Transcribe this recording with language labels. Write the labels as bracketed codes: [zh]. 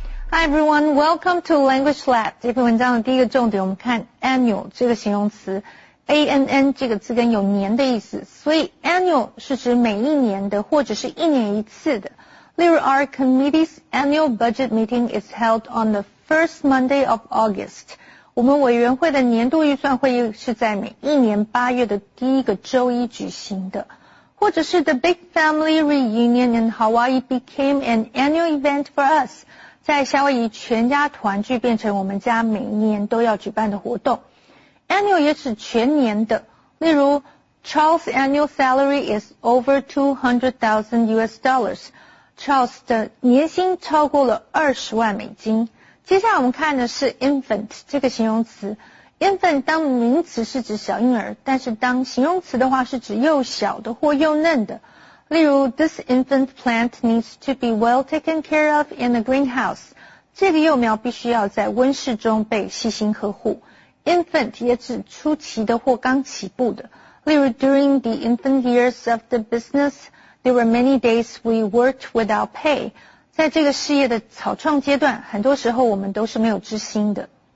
[en] Hi everyone, welcome to Language Lab. [zh] 这篇文章的第一个重点，我们看 annual 这个形容词 ，ann 这个字根有年的意思，所以 annual 是指每一年的或者是一年一次的。例如 [en] ，Our committee's annual budget meeting is held on the first Monday of August. [zh] 我们委员会的年度预算会议是在每一年八月的第一个周一举行的。或者是 [en] The big family reunion in Hawaii became an annual event for us. [zh] 在夏威夷全家团聚变成我们家每年都要举办的活动。 [en] Annual [zh] 也是全年的，例如 [en] Charles' annual salary is over $200,000. [zh] Charles 的年薪超过了20万美金。接下来我们看的是 infant 这个形容词。 Infant 当名词是指小婴儿，但是当形容词的话是指幼小的或幼嫩的。例如 [en] ,this infant plant needs to be well taken care of in a greenhouse. [zh] 这个幼苗必须要在温室中被细心呵护。 Infant 也指初期的或刚起步的。例如 [en] ,during the infant years of the business, there were many days we worked without pay. [zh] 在这个事业的草创阶段,很多时候我们都是没有知心的。